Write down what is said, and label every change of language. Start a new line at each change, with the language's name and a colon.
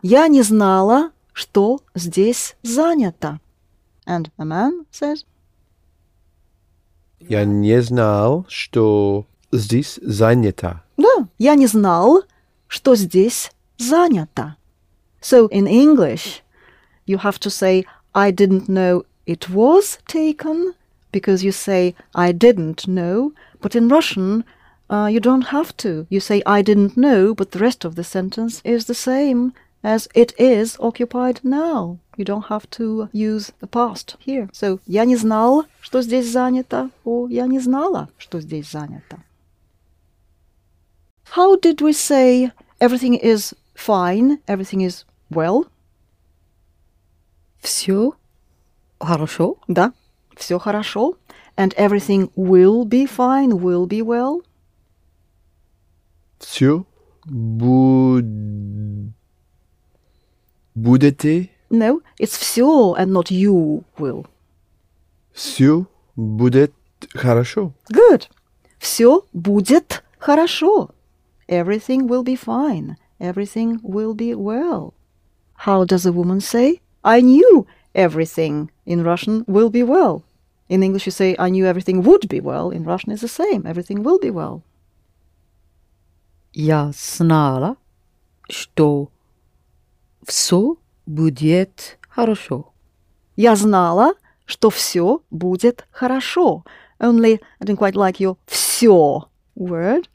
Russian: Я не знала, что здесь занято.
English: And a man says,
Russian: Я не знал, что здесь занято. Да, я не знал, что здесь занято.
English: So in English, you have to say, I didn't know it was taken, because you say, I didn't know. But in Russian, you don't have to. You say, I didn't know, but the rest of the sentence is the same as it is occupied now. You don't have to use the past here.
Russian: So, я не знал, что здесь занято, or я не знала, что здесь занято.
English: How did we say everything is fine, everything is well?
Russian: Всё хорошо. Да, всё хорошо.
English: And everything will be fine, will be well?
Russian: Всё будет.
English: No, it's всё and not you will.
Russian: Всё будет хорошо.
English: Good.
Russian: Всё будет хорошо.
English: Everything will be fine. Everything will be well. How does a woman say, I knew everything in Russian will be well? In English you say, I knew everything would be well. In Russian it's the same. Everything will be well.
Russian: Я знала, что всё будет хорошо. Я знала, что всё будет хорошо.
English: Only I didn't quite like your всё word.